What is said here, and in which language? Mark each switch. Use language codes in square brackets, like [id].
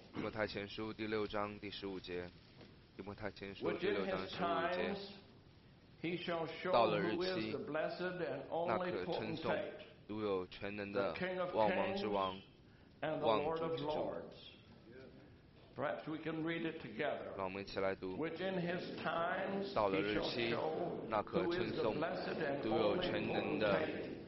[zh] 提摩太前书第六章第十五节。提摩太前书第六章十五节。 [en] Which in his times he shall show who is the blessed and only potentate. [zh] 那可称颂独有全能的万王之王。 [en] And the Lord of Lords. Perhaps we can read it together. Which in his times he shall show who is the blessed and only potentate.